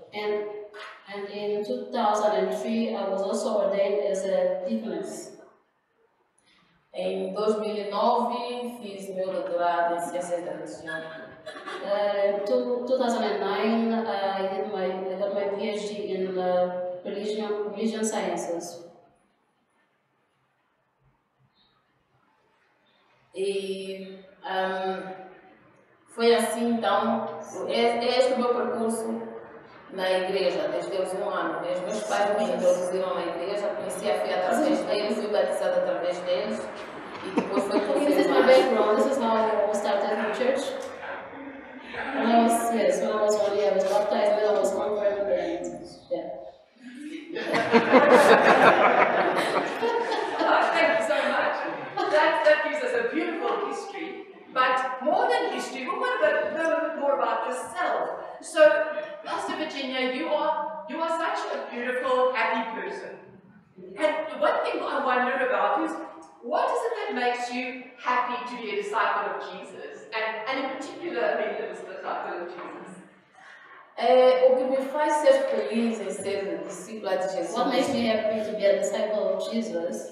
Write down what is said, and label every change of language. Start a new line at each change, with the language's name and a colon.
English: And in 2003, I was also ordained as a deaconess.
Portuguese: Em 2009, fiz meu doutorado em ciências da religião.
English: In 2009, I got my PhD in Religion Sciences.
Portuguese: E foi assim então, este é o meu percurso na igreja, desde os 1 ano. Os meus pais me introduziram na igreja, conheci a fé através deles, fui batizada através deles.
English: This is my background. This is how I started the church. When I was, yes, when I was only, I was baptized, then I was confirmed, and yeah. Oh, thank you so much. That gives us a beautiful history. But more than history, we want to learn more about yourself. So, Pastor Virginia, you are such a beautiful, happy person. And one thing I wonder about is, what is it that makes you happy to be a disciple of Jesus? And in particular, I mean, the disciple of Jesus.
Portuguese: O que me faz ser feliz em ser discípula de Jesus?
English: What makes me happy to be a disciple of Jesus?